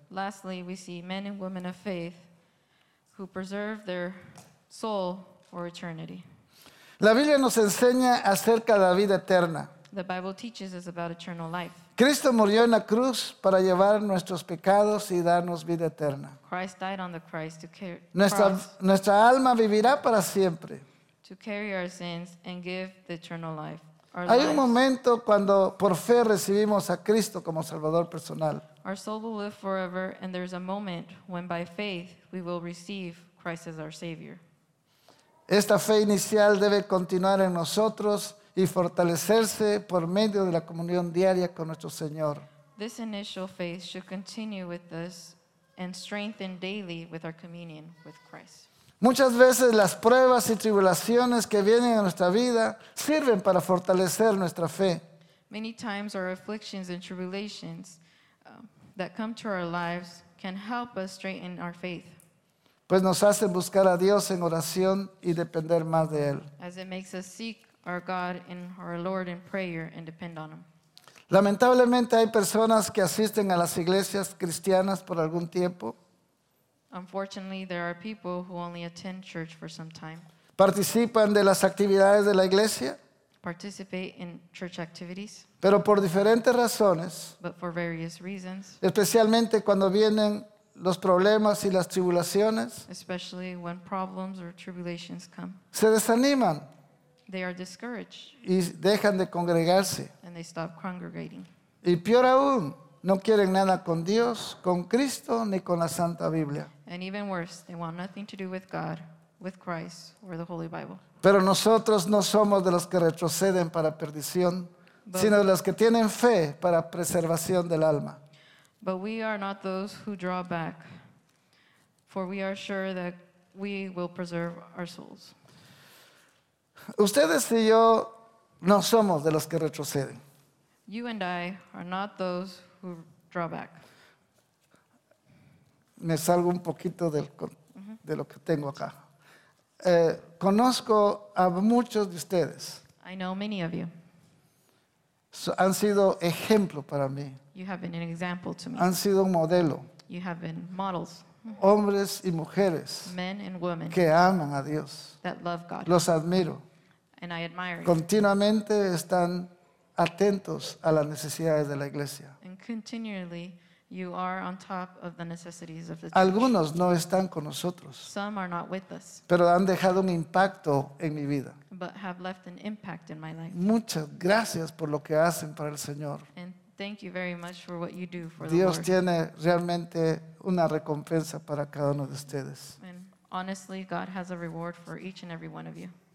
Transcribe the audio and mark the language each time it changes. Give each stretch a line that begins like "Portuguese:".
English: Lastly, we see men and women of faith who preserve their soul for eternity.
Spanish: La Biblia nos enseña acerca de la vida eterna.
English: The Bible teaches us about eternal life.
Spanish: Cristo murió en la cruz para llevar nuestros pecados y darnos vida eterna.
English: Christ died on the cross to carry
Spanish: nuestra alma vivirá para siempre.
English: To carry our sins and give the eternal life.
Spanish: Hay un momento cuando por fe recibimos a Cristo como Salvador personal.
English: Our soul will live forever, and there's a moment when by faith we will receive Christ as our Savior.
Spanish: Esta fe inicial debe continuar en nosotros y fortalecerse por medio de la comunión diaria con nuestro Señor.
English: This initial faith should continue with us and strengthen daily with our communion with Christ.
Spanish: Muchas veces las pruebas y tribulaciones que vienen a nuestra vida sirven para fortalecer nuestra fe.
English: Many times our afflictions and tribulations that come to our lives can help us strengthen our faith.
Spanish: Pues nos hacen buscar a Dios en oración y depender más de Él.
English: As it makes us seek our God and our Lord in prayer and depend on Him.
Spanish: Lamentablemente hay personas que asisten a las iglesias cristianas por algún tiempo.
English: Unfortunately, there are people who only attend church for some time.
Spanish: Participan de las actividades de la iglesia.
English: Participate in church activities.
Spanish: Pero por diferentes razones.
English: But for various reasons.
Spanish: Especialmente cuando vienen los problemas y las tribulaciones.
English: Especially when problems or tribulations come.
Spanish: Se desaniman.
English: They are discouraged.
Spanish: Y dejan de congregarse.
English: And they stop congregating.
Spanish: Y peor aún. No quieren nada con Dios, con Cristo, ni con la Santa Biblia.
English: And even worse, they want nothing to do with God, with Christ, or the Holy Bible.
Spanish: Pero nosotros no somos de los que retroceden para perdición, sino de los que tienen fe para preservación del alma.
English: But we are not those who draw back, for we are sure that we will preserve our souls.
Spanish: Ustedes y yo no somos de los que retroceden.
English: You and I are not those who draw back.
Spanish: Me salgo un poquito del, de lo que tengo acá. Conozco a muchos de ustedes.
English: I know many of you.
Spanish: Han sido ejemplo para mí.
English: You have been an example to me.
Spanish: Han sido un modelo.
English: You have been models.
Spanish: Hombres y mujeres.
English: Men and women.
Spanish: Que aman a Dios.
English: That love God.
Spanish: Los admiro.
English: And I admire.
Spanish: Continuamente están atentos a las necesidades de la iglesia.
English: And continually you are on top of the necessities of the church.
Spanish: Algunos no están con nosotros.
English: Some are not with us.
Spanish: Pero han dejado un impacto en mi vida.
English: But have left an impact in my life.
Spanish: Muchas gracias por lo que hacen para el Señor.
English: And thank you very much for what you do for the Lord.
Spanish: Dios tiene realmente una recompensa para cada uno de ustedes.
English: And honestly, God has a reward for each and every one of you.